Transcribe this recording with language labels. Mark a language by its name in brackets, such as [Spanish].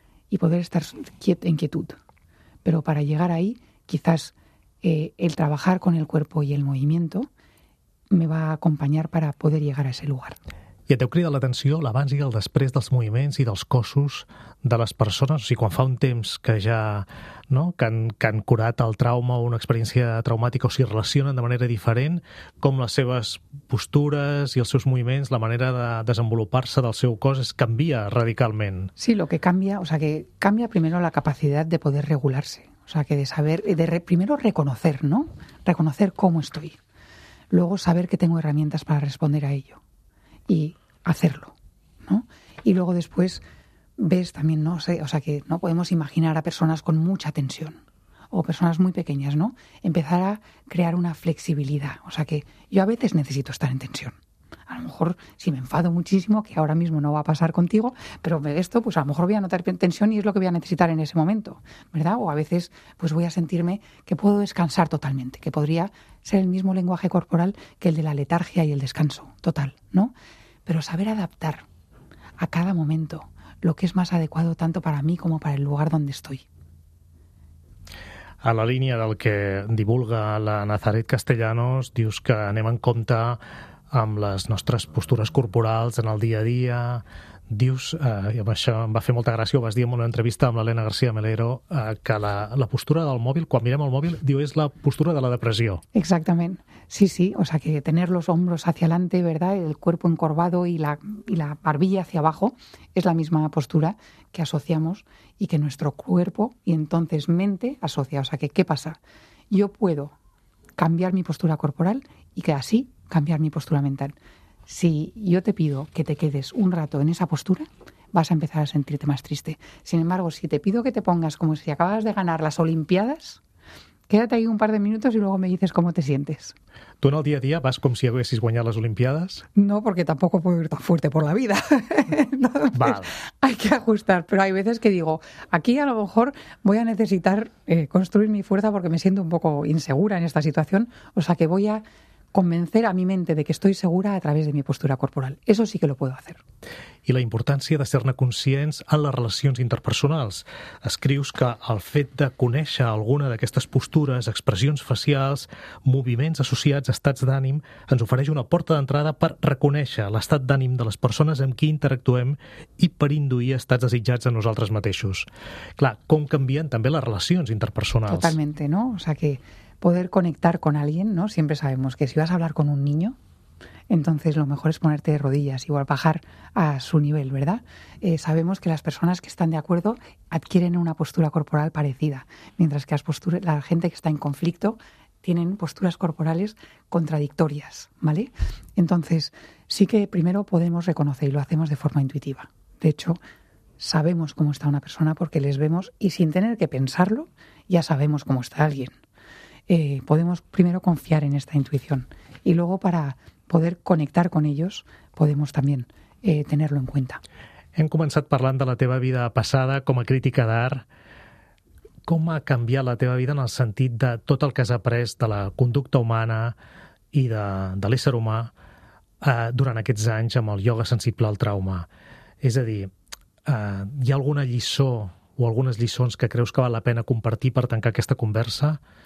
[Spanish] y poder estar en quietud. Pero para llegar ahí, quizás el trabajar con el cuerpo y el movimiento me va a acompañar para poder llegar a ese lugar. [Catalan] I et deu cridar l'atenció l'abans i el després dels moviments i dels cossos de les persones? O sigui, quan fa un temps que ja, no?, que han curat el trauma o una experiència traumàtica, o s'hi relacionen de manera diferent, com les seves postures i els seus moviments, la manera de desenvolupar-se del seu cos es canvia radicalment? [Spanish] Sí, lo que cambia, o sea, que cambia primero la capacidad de poder regularse. O sea, que de saber, primero reconocer, ¿no? Reconocer cómo estoy. Luego saber que tengo herramientas para responder a ello. Y hacerlo, ¿no? Y luego después ves también, ¿no? O sea, que no podemos imaginar a personas con mucha tensión o personas muy pequeñas, ¿no? Empezar a crear una flexibilidad. O sea, que yo a veces necesito estar en tensión. A lo mejor, si me enfado muchísimo, que ahora mismo no va a pasar contigo, pero esto, pues a lo mejor voy a notar tensión y es lo que voy a necesitar en ese momento, ¿verdad? O a veces, pues voy a sentirme que puedo descansar totalmente, que podría ser el mismo lenguaje corporal que el de la letargia y el descanso total, ¿no? Pero saber adaptar a cada momento lo que es más adecuado tanto para mí como para el lugar donde estoy. [Catalan] A la línia del que divulga la Nazaret Castellanos, dius que anem en compte amb les nostres postures corporals en el dia a dia. Dius, i amb això em va fer molta gràcia, ho vas dir en una entrevista amb l'Helena García Melero, que la postura del mòbil, quan mirem el mòbil, diu, és la postura de la depressió. Exactament. Sí, sí. [Spanish] O sea, que tener los hombros hacia adelante, ¿verdad?, el cuerpo encorvado y la barbilla hacia abajo, es la misma postura que asociamos y que nuestro cuerpo y entonces mente asocia. O sea, que ¿qué pasa? Yo puedo cambiar mi postura corporal y que así cambiar mi postura mental. Si yo te pido que te quedes un rato en esa postura, vas a empezar a sentirte más triste. Sin embargo, si te pido que te pongas como si acabas de ganar las Olimpiadas, quédate ahí un par de minutos y luego me dices cómo te sientes. ¿Tú en el día a día vas como si hubieses ganado las Olimpiadas? No, porque tampoco puedo ir tan fuerte por la vida. Entonces, vale. Hay que ajustar, pero hay veces que digo, aquí a lo mejor voy a necesitar construir mi fuerza porque me siento un poco insegura en esta situación, o sea que voy a convencer a mi mente de que estoy segura a través de mi postura corporal. Eso sí que lo puedo hacer. [Catalan] I la importància de ser-ne conscients en les relacions interpersonals. Escrius que el fet de conèixer alguna d'aquestes postures, expressions facials, moviments associats a estats d'ànim, ens ofereix una porta d'entrada per reconèixer l'estat d'ànim de les persones amb qui interactuem i per induir estats desitjats a nosaltres mateixos. Clar, com canvien també les relacions interpersonals? [Spanish] Totalmente, ¿no? O sea que poder conectar con alguien, ¿no? Siempre sabemos que si vas a hablar con un niño, entonces lo mejor es ponerte de rodillas, igual bajar a su nivel, ¿verdad? Sabemos que las personas que están de acuerdo adquieren una postura corporal parecida, mientras que la gente que está en conflicto tienen posturas corporales contradictorias, ¿vale? Entonces, sí que primero podemos reconocer y lo hacemos de forma intuitiva. De hecho, sabemos cómo está una persona porque les vemos y sin tener que pensarlo, ya sabemos cómo está alguien. Podemos primero confiar en esta intuición y luego para poder conectar con ellos podemos también tenerlo en cuenta. [Catalan] Hem començat parlant de la teva vida passada com a crítica d'art. Com ha canviat la teva vida en el sentit de tot el que has après de la conducta humana i de l'ésser humà durant aquests anys amb el ioga sensible al trauma? És a dir, hi ha alguna lliçó o algunes lliçons que creus que val la pena compartir per tancar aquesta conversa?